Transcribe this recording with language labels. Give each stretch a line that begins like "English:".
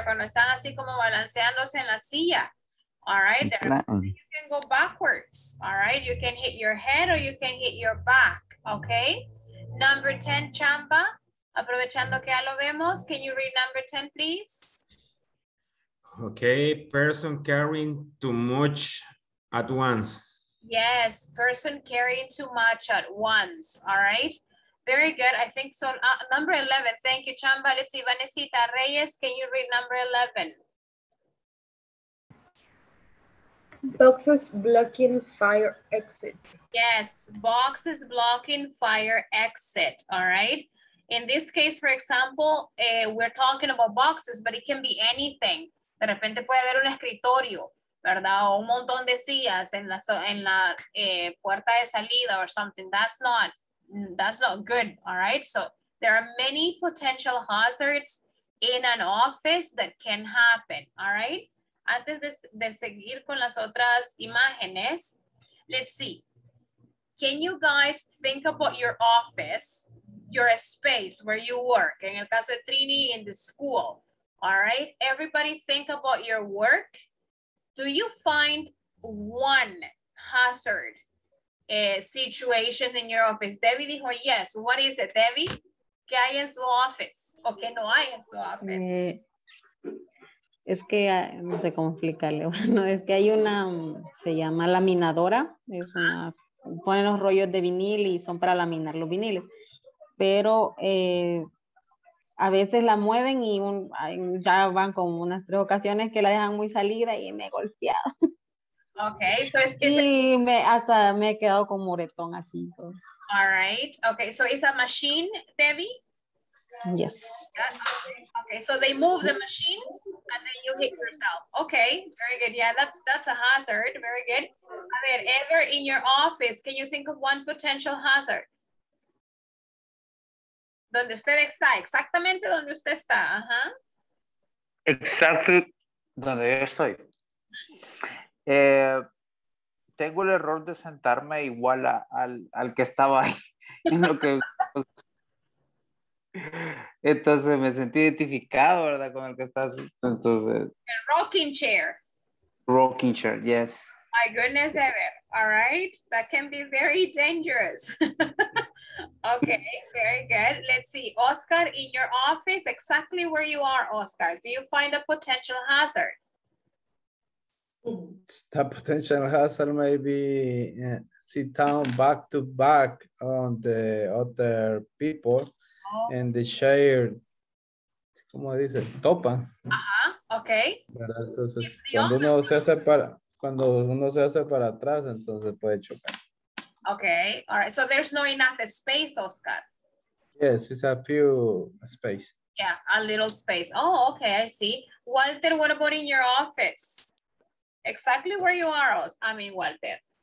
Spanish: Cuando están así como balanceándose en la silla.
English: All right. You can go backwards. All right. You can hit your head or you can hit your back.
Spanish: Okay.
English: Number 10,
Spanish: Chamba. Aprovechando que ya lo vemos.
English: Can you read number 10, please? Okay. Person carrying too much at once. Yes, person carrying too much at once. All right. Very good. I think so. Number 11. Thank you, Chamba. Let's see. Vanesita Reyes, can you read number 11? Boxes blocking fire exit. Yes, boxes blocking fire exit. All right. In this case, for example, we're talking about boxes, but it can be anything.
Spanish: De repente puede haber un escritorio. ¿Verdad? O un montón de sillas en la puerta de salida
English: or something. That's not good, all right? So there are many potential hazards in an office that can happen, all right?
Spanish: Antes de seguir con las otras imágenes,
English: let's see. Can you guys think about your office, your space where you work?
Spanish: En el caso de
English: Trini, in the school, all right? Everybody think about your work. Do you find one hazard situation in your office?
Spanish: Debbie dijo
English: yes. What is it,
Spanish: Debbie? ¿Qué hay en su office? ¿O qué no hay en su office? Es que, no sé cómo explicarle. Bueno, es que hay una, se llama laminadora. Es una, ponen los rollos de vinil y son para laminar los viniles. Pero a veces la mueven y ya van como unas tres ocasiones que la dejan muy salida y me he golpeado. Okay, so es que... Y hasta me he quedado con moretón así. So.
English: All right, okay, so it's a machine, Debbie? Yes. Okay, so they move the machine and then you hit yourself. Okay, very good. Yeah, that's a hazard, very good. A ver, ever in your office, can you think of one potential hazard?
Spanish: Donde usted está, exactamente donde usted está, ajá. Exacto donde yo estoy. Tengo el error de sentarme igual al que estaba ahí. En lo que... Entonces me sentí identificado, ¿verdad? Con el que estás. Entonces.
English: The rocking chair. Rocking chair, yes. My goodness ever. All right. That can be very dangerous. Okay, very good. Let's see. Oscar, in your office, exactly where you are, Oscar, do you find a potential hazard? The potential hazard may be sit down back to back on the other people and the chair,
Spanish: ¿cómo dice? Topan. Ajá, okay. Entonces, cuando uno se hace para atrás, entonces puede chocar.
English: Okay, all right. So there's not enough space, Oscar. Yes, it's a few space. Yeah, a little space. Oh, okay, I see. Walter, what about in your office? Exactly where you are, Walter.